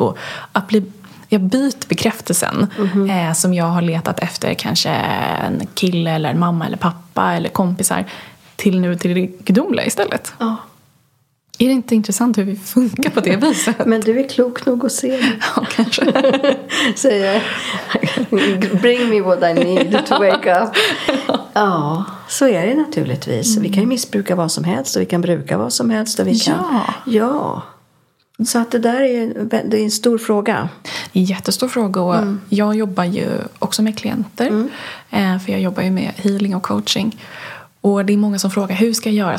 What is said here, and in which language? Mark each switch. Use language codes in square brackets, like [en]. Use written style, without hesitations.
[sv] Och att jag byt bekräftelsen som jag har letat efter, kanske en kille eller mamma eller pappa eller kompisar, till nu till det gudomliga istället. Ja. Är det inte intressant hur vi funkar på det viset? Men du är klok nog att se det. Ja, kanske. Säger jag. [en] Bring me what I need to wake up. [sv] Ja, så är det naturligtvis. Mm. Vi kan ju missbruka vad som helst och vi kan bruka vad som helst. Och vi kan... Ja. Så att det där är en stor fråga. Jättestor fråga. Och jag jobbar ju också med klienter. Mm. För jag jobbar ju med healing och coaching. Och det är många som frågar, hur ska jag göra?